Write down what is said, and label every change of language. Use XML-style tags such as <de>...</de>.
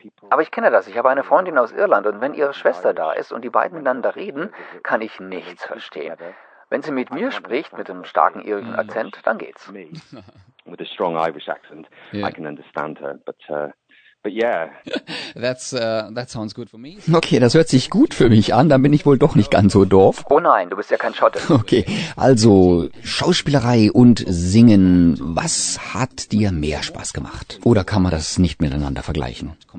<de>Aber ich kenne das. Ich habe eine Freundin aus Irland und wenn ihre Schwester da ist und die beiden miteinander reden, kann ich nichts verstehen. Wenn sie mit mir spricht, mit einem starken irischen Akzent, dann geht's.</de> <en>With a strong Irish accent, I can understand her, but yeah. That sounds good for me.</en> <de>Okay, das hört sich gut für mich an, dann bin ich wohl doch nicht ganz so doof. Oh nein, du bist ja kein Schotte. Okay, also Schauspielerei und Singen, was hat dir mehr Spaß gemacht? Oder kann man das nicht miteinander vergleichen?</de>